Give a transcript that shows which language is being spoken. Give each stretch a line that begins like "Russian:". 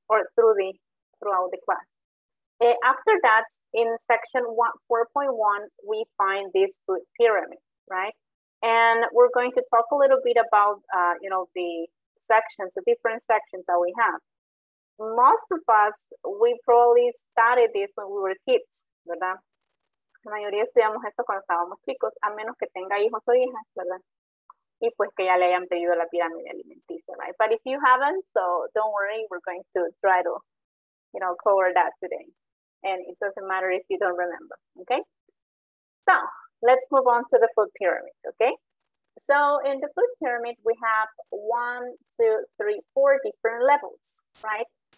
English: Or throughout the class. After that, in section 4.1, we find this food pyramid, right? And we're going to talk a little bit about, the sections, the different sections that we have. Most of us, we probably studied this when we were kids, ¿verdad?
Spanish: La mayoría estudiamos esto cuando estábamos chicos, a menos que tenga hijos o hijas, ¿verdad? Y pues que ya le hayan pedido la pirámide alimenticia, right?
English: But if you haven't, so don't worry, we're going to try to, cover that today. And it doesn't matter if you don't remember, okay? So let's move on to the food pyramid, okay? So in the food pyramid, we have 1, 2, 3, 4 different levels, right?